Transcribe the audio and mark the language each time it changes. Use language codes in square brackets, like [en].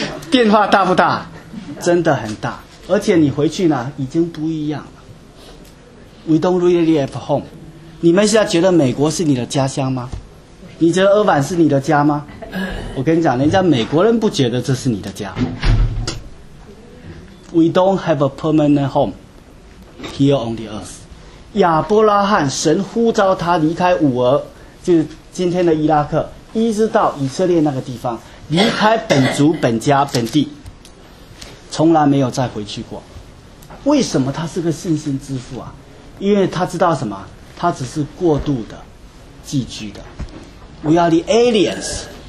[zh] 变化大不大？真的很大，而且你回去呢已经不一样了。 [en] We don't really have home。 [zh] 你们现在觉得美国是你的家乡吗？你觉得厄瓦是你的家吗？我跟你讲，人家美国人不觉得这是你的家。 [en] We don't have a permanent home here on the earth。 [zh] 亚伯拉罕，神呼召他离开乌尔，就是今天的伊拉克，一直到以色列那个地方，离开本族、本家、本地，从来没有再回去过。为什么他是个信心之父啊？因为他知道什么？他只是过渡的、寄居的。 [en] We are the aliens,